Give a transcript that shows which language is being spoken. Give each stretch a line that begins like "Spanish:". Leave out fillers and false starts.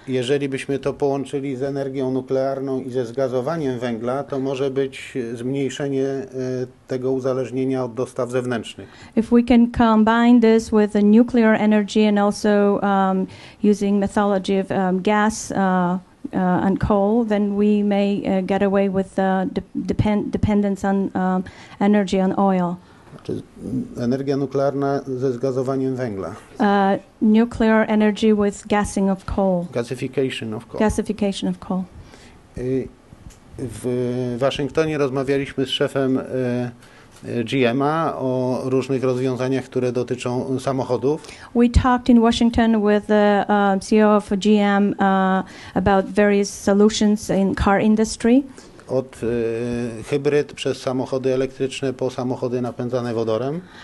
Polish: Jeżeli byśmy to połączyli z energią nuklearną i ze zgazowaniem węgla, to może być zmniejszenie tego uzależnienia od dostaw zewnętrznych.
English: If we can combine this with the nuclear energy and also using methodology of gas and coal, then we may get away with dependence on energy on oil.
Polish: Znaczy, energia nuklearna ze zgazowaniem węgla.
English: Nuclear energy with gassing of coal. Gasification of coal. Gasification of coal.
Polish: W Waszyngtonie rozmawialiśmy z szefem GM-a o różnych rozwiązaniach, które dotyczą samochodów.
English: We talked in Washington with the CEO of GM about various solutions in car industry.
Polish: Od hybryd przez samochody elektryczne po samochody napędzane wodorem.